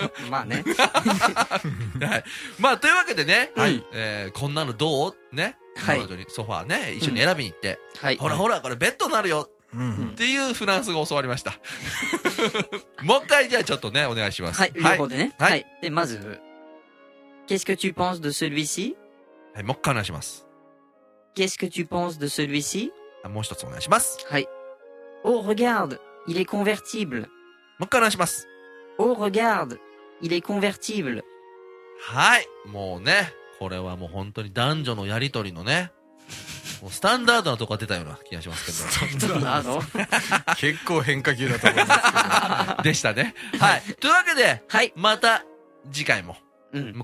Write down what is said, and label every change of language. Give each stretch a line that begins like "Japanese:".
Japanese: まあね。はい、まあというわけでね、はい、こんなのどうね、はい、彼女にソファーね一緒に選びに行って、うんはい、ほらほらこれベッドになるよ。うん、っていうフランス語を教わりました。もう一回じゃあちょっとねお願いします。はい、はい、両方でね、はいはい、でまず
French: Qu'est-ce que tu penses de celui-ci?
Japanese: はい、もう一回お願いします。
French: Qu'est-ce que tu penses de celui-ci?
Japanese: もう一つお願いします。
French: はい、 Oh regarde il est convertible。
Japanese: もう一回お願いします。
French: Oh regarde il est convertible。
Japanese: はい、もうねこれはもう本当に男女のやりとりのねもうスタンダードなとこが出たような気がしますけど。スタンダード結構変化球だと思いますけど。でしたね。はい。というわけで、はい、また次回も、うん、